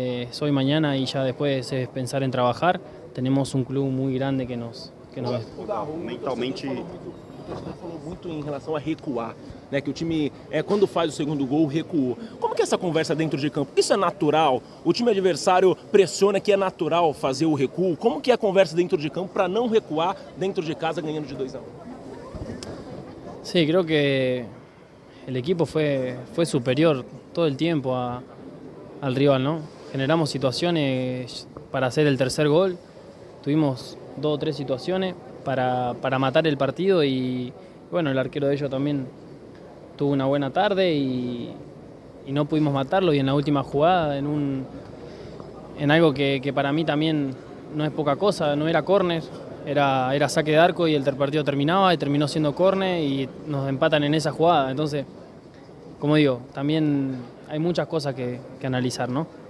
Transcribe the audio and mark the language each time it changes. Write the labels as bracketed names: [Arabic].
[Spanish] Soy mañana y ya después es pensar en trabajar. Tenemos un club muy grande que nos mentalmente. [Portuguese] Você falou muito em relação a recuar, né? Que o time, quando faz o segundo gol, recuou. Como que é essa conversa dentro de campo? Isso é natural? O time adversário pressiona que é natural fazer o recuo? Como que é a conversa dentro de campo para não recuar dentro de casa ganhando de 2 a 1? [Spanish] Sim, creo que el equipo fue superior todo el tiempo al rival, ¿no? Generamos situaciones para hacer el tercer gol, tuvimos 2 o 3 situaciones para matar el partido y bueno, el arquero de ellos también tuvo una buena tarde y no pudimos matarlo y en la última jugada, en algo que para mí también no es poca cosa, no era córner, era saque de arco y el partido terminaba y terminó siendo córner y nos empatan en esa jugada, entonces, como digo, también hay muchas cosas que analizar, ¿no?